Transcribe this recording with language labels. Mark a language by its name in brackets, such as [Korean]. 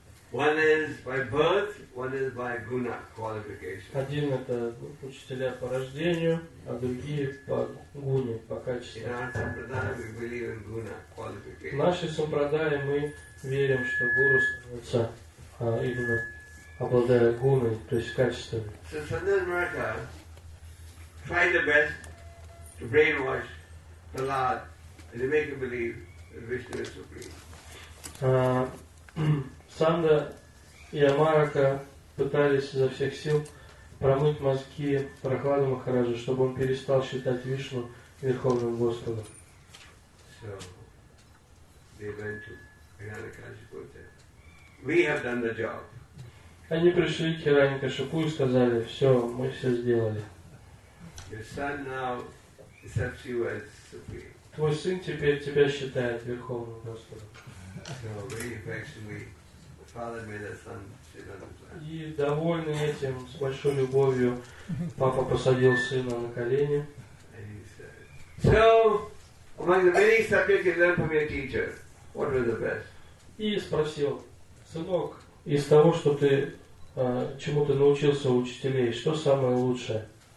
[English] One is by birth, one is by guna qualification. [Russian] Один это учителя по рождению, а другие по гуне, по качеству. В нашей сампрадае мы верим, что гуру становится именно обладая гуной, то есть качествами. [English] So Sanda and Amartha tried the best to brainwash Prahlad and to make him believe that Vishnu is supreme. [Russian] Санда и Амарха пытались изо всех сил промыть мозги Прохлада Махараджа, чтобы он перестал считать Вишну Верховным Господом. [English] So they went to Hiranyakashipu. We have done the job. [Russian] Они пришли к Хираньякашипу и сказали, все, мы все сделали. [English] Your son now accepts you as supreme. [Russian] Твой сын теперь тебя считает Верховным Господом. [English] So very affectionately, the father made his son sit on the throne. [Russian] И довольный этим, с большой любовью, папа посадил сына на колени. [English] And he said, so, among the many subjects you learned from your teacher, what were the best? [Russian] И спросил, сынок, из того, что ты чему ты научился у учителей, что самое лучшее?